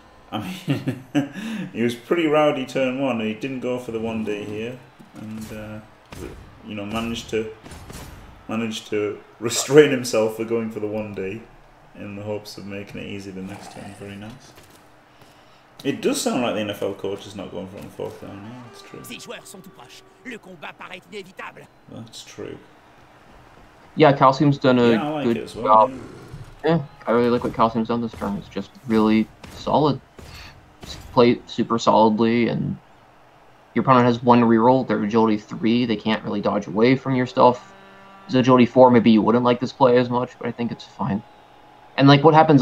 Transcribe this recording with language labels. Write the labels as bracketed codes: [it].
[en] I mean, he was pretty rowdy turn one. He didn't go for the 1D here. And, you know, managed to restrain himself for going for the 1D in the hopes of making it easy the next turn. Very nice. It does sound like the NFL coach is not going for the fourth down. Yeah, that's true. [fr] Les joueurs sont tout proches. Le combat paraît inévitable. [en] That's true. Yeah, Calcium's done good it as well. Job. Yeah, I really like what Calcium's done this turn. It's just really solid. Play super solidly, and your opponent has one reroll. They're agility 3. They can't really dodge away from your stuff. It's agility 4. Maybe you wouldn't like this play as much, but I think it's fine. And, like, what happens?